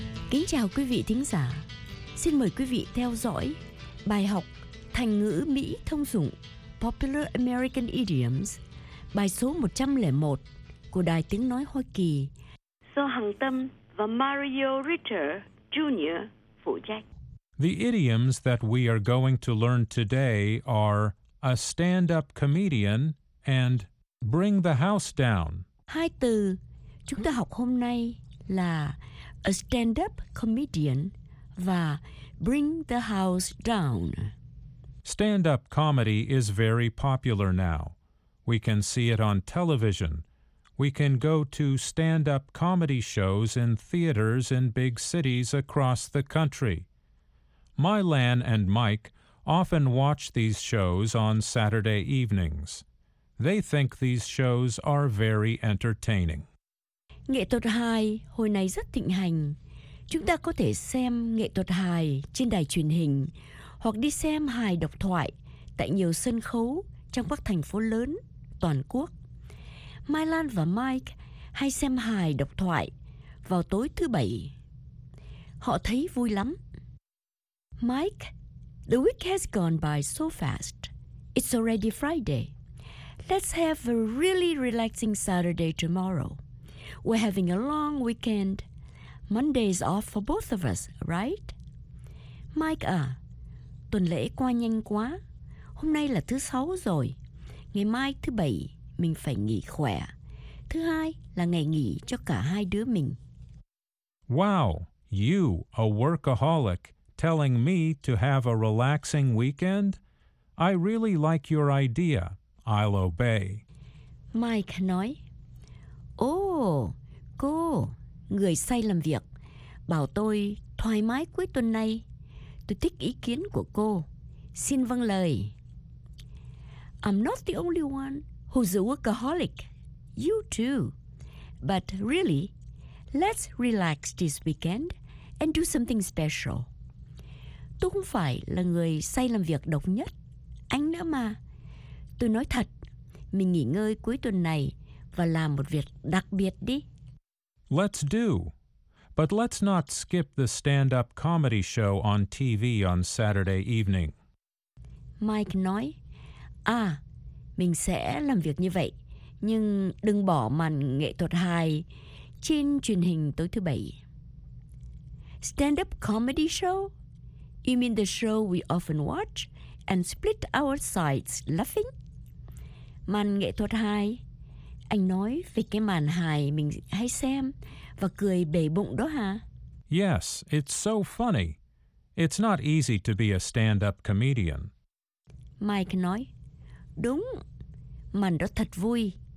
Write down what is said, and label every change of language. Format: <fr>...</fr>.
<vi>Kính chào quý vị thính giả. Xin mời quý vị theo dõi bài học thành ngữ Mỹ thông dụng</vi> <en>Popular American Idioms,</en> <vi>bài số 101 của Đài Tiếng Nói Hoa Kỳ. Do Hằng Tâm và Mario Ritter Jr. phụ trách.</vi> <en>The idioms that we are going to learn today are a stand-up comedian and bring the house down.</en> <vi>Hai từ chúng ta học hôm nay là</vi> <en>a stand-up comedian</en> <vi>và</vi> <en>bring the house down. Stand-up comedy is very popular now. We can see it on television. We can go to stand-up comedy shows in theaters in big cities across the country. Mylan and Mike often watch these shows on Saturday evenings. They think these shows are very entertaining.</en> <vi>Nghệ thuật hài hồi này rất thịnh hành. Chúng ta có thể xem nghệ thuật hài trên đài truyền hình hoặc đi xem hài độc thoại tại nhiều sân khấu trong các thành phố lớn toàn quốc. Mai Lan và Mike hay xem hài độc thoại vào tối thứ bảy. Họ thấy vui lắm.</vi> <en>Mike, the week has gone by so fast. It's already Friday. Let's have a really relaxing Saturday tomorrow. We're having a long weekend. Monday's off for both of us, right?</en> <vi>Mike à, tuần lễ qua nhanh quá. Hôm nay là thứ sáu rồi. Ngày mai thứ bảy, mình phải nghỉ khỏe. Thứ hai là ngày nghỉ cho cả hai đứa mình.</vi> <en>Wow, you, a workaholic, telling me to have a relaxing weekend? I really like your idea. I'll obey.</en> <vi>Mike nói, cô, người say làm việc, bảo tôi thoải mái cuối tuần này. Tôi thích ý kiến của cô. Xin vâng lời.</vi> <en>I'm not the only one who's a workaholic. You too. But really, let's relax this weekend and do something special.</en> <vi>Tôi không phải là người say làm việc độc nhất. Anh nữa mà. Tôi nói thật, mình nghỉ ngơi cuối tuần này và làm một việc đặc biệt đi.</vi> <en>Let's do. But let's not skip the stand-up comedy show on TV on Saturday evening.</en> <vi>Mike nói, mình sẽ làm việc như vậy, nhưng đừng bỏ màn nghệ thuật hài trên truyền hình tối thứ bảy.</vi> <en>Stand-up comedy show? You mean the show we often watch and split our sides laughing?</en> <vi>Màn nghệ thuật hài? Anh nói về cái màn hài mình hay xem và cười bể bụng đó hả?</vi> <en>Yes, it's so funny. It's not easy to be a stand-up comedian.</en> <vi>Mike nói, đúng, màn đó thật vui.</vi>